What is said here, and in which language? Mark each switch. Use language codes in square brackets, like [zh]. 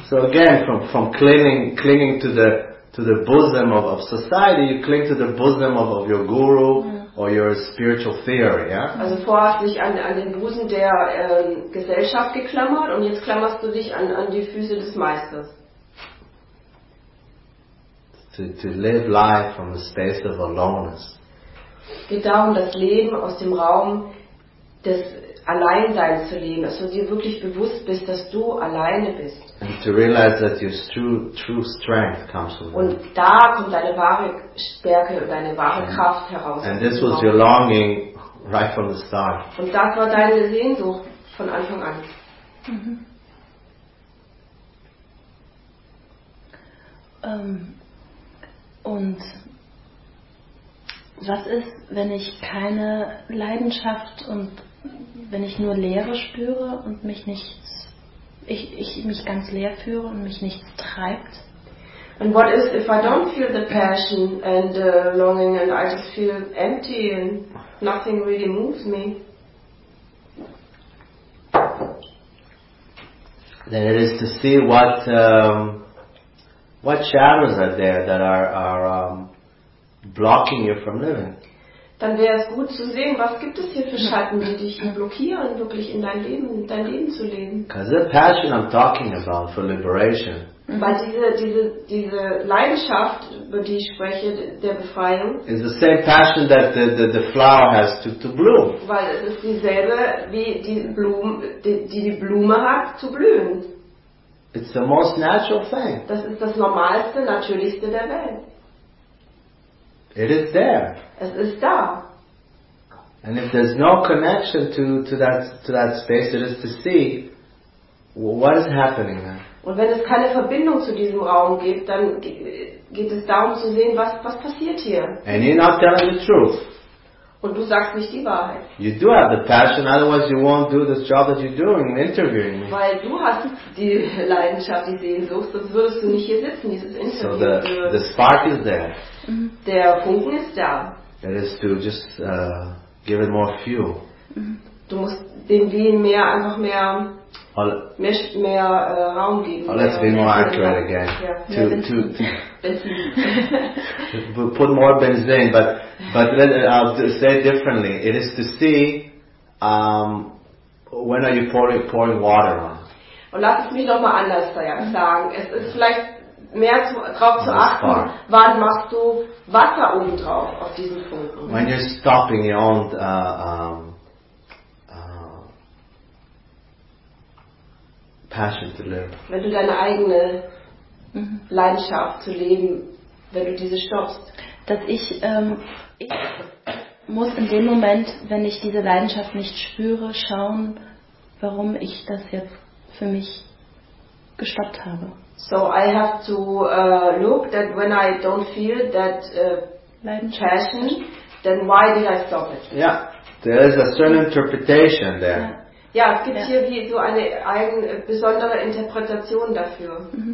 [en] So again, from clinging to the bosom of society, you cling to the bosom of your guru or your spiritual theory. Yeah. [de] Also vorher hast du dich an den Busen der Gesellschaft geklammert, und jetzt klammerst du dich an die Füße des Meisters. [en] To live life from the space of aloneness. [de] Es geht darum, das Leben aus dem Raum des Alleinseins zu leben, also dir wirklich bewusst bist, dass du alleine bist. [en] And to realize that your true strength comes from. [de] Und da kommt deine wahre Stärke und deine wahre Kraft heraus. [en] And this was your longing right from the start. [de] Und das war deine Sehnsucht von Anfang an. Und was ist, wenn ich keine Leidenschaft und wenn ich nur Leere spüre und ich mich ganz leer führe und mich nichts treibt? [en] And what is if I don't feel the passion and the longing and I just feel empty and nothing really moves me? Then it is to see what shadows are there that are blocking you from living? [de] Dann wäre es gut zu sehen, was gibt es hier für Schatten, die dich blockieren, wirklich in dein Leben zu leben. [en] Because the passion I'm talking about for liberation. [de] Weil diese Leidenschaft, über die ich spreche, der Befreiung. [en] Is the same passion that the flower has to bloom. [de] Weil es ist dieselbe wie die Blume hat zu blühen. [en] It's the most natural thing. [de] Das ist das Normalste, Natürlichste der Welt. [en] It is there. [de] Es ist da. [en] And if there's no connection to that space, it is to see what is happening there. [de] Und wenn es keine Verbindung zu diesem Raum gibt, dann geht es darum zu sehen, was passiert hier. [en] And you're not telling the truth. [de] Und du sagst nicht die Wahrheit. [en] You do have the passion, otherwise you won't do this job that you're doing, interviewing me. [de] Weil du hast die Leidenschaft, die Sehnsucht, sonst würdest du nicht hier sitzen, dieses Interview. [en] So the spark is there. [de] Der Funken ist da. [en] It is to just give it more fuel. [de] Du musst dem Wehen mehr Raum geben. [en] Oh, let's be more accurate again. Yeah. To put more benzene, but I'll say it differently. It is to see when are you pouring water on. [de] Und lass es mich nochmal anders sagen. Es ist vielleicht mehr darauf zu achten, wann machst du Wasser oben drauf auf diesen Funken. When you're stopping your own passion to live. Wenn du deine eigene Leidenschaft zu leben, wenn du diese stoppst. Dass ich muss in dem Moment, wenn ich diese Leidenschaft nicht spüre, schauen, warum ich das jetzt für mich gestoppt habe. [en] So I have to look that when I don't feel that passion, then why did I stop it? Yeah, there is a certain interpretation there. [de] Ja, es gibt hier wie so eine besondere Interpretation dafür.